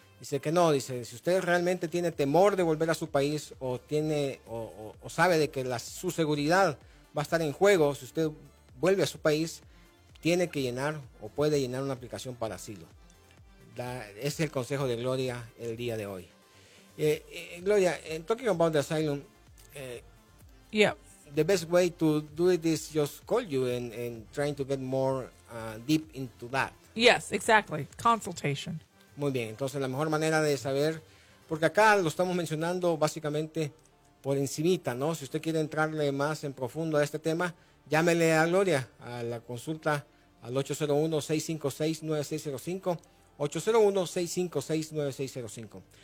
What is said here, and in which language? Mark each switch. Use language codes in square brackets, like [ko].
[es] Dice que no, dice, si usted realmente tiene temor de volver a su país o tiene o sabe de que su seguridad va a estar en juego, si usted vuelve a su país, tiene que llenar o puede llenar una aplicación para asilo. Ese es el consejo de Gloria el día de hoy. [en] Gloria, talking about the asylum, the best way to do it is just call you and trying to get more deep into that. Yes, exactly. Consultation. [es] Muy bien. Entonces, la mejor manera de saber, porque acá lo estamos mencionando básicamente por encimita, ¿no? Si usted quiere entrarle más en profundo a este tema, Llámele a Gloria a la consulta al 801-656-9605, 801-656-9605.